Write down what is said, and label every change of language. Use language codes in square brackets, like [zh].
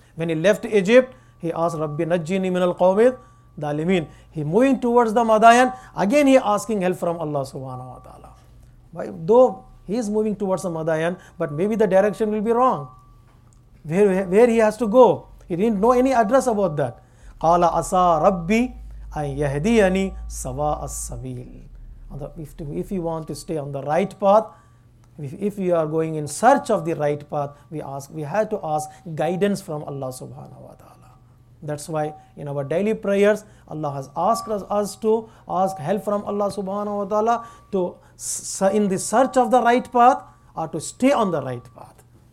[en] When he left Egypt, he asked [ar] Rabbi Najjini min al-Qawmi Dalimin. [en] He moving towards the Madian, again he asking help from Allah subhanahu wa ta'ala. Though he is moving towards the Madian, but maybe the direction will be wrong. Where he has to go? He didn't know any address about that. [ar] قَالَ أَسَى رَبِّي أَنْ يَهْدِيَنِي سَوَاءَ السَّبِيلِ. [en] If you want to stay on the right path, if you are going in search of the right path, we have to ask guidance from Allah subhanahu wa ta'ala. That's why in our daily prayers, Allah has asked us to ask help from Allah subhanahu wa ta'ala to in the search of the right path or to stay on the right path.